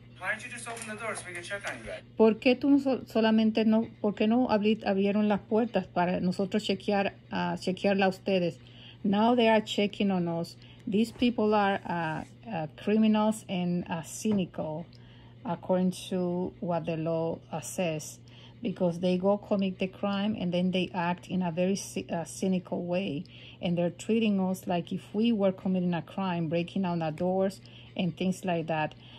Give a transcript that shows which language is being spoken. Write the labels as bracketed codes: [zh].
[en] Why don't you just open the door so we can check on you guys? [es] ¿Por qué tú solamente no abrieron las puertas para nosotros chequearla a ustedes? [en] Now they are checking on us. These people are criminals and cynical, according to what the law says, because they go commit the crime and then they act in a very cynical way. And they're treating us like if we were committing a crime, breaking down the doors and things like that.